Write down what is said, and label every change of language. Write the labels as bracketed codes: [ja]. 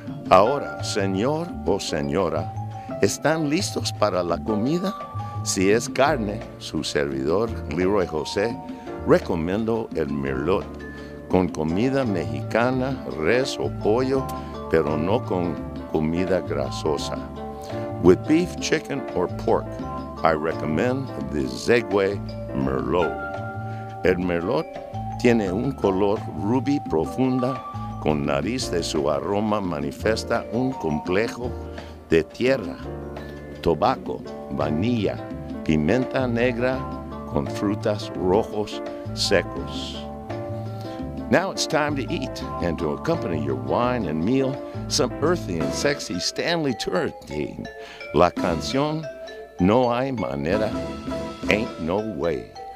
[es] Ahora, señor o señora, ¿están listos para la comida? Si es carne, su servidor, Leroy José, recomiendo el merlot con comida mexicana, res o pollo, pero no con comida grasosa. [en] With beef, chicken, or pork, I recommend the Segue merlot. [es] El merlot tiene un color rubí profunda. Con nariz de su aroma manifiesta un complejo de tierra, tabaco, vainilla, pimienta negra con frutas rojos secos. [en] Now it's time to eat, and to accompany your wine and meal, some earthy and sexy Stanley Turrentine. [es] La canción, No Hay Manera, Ain't No Way.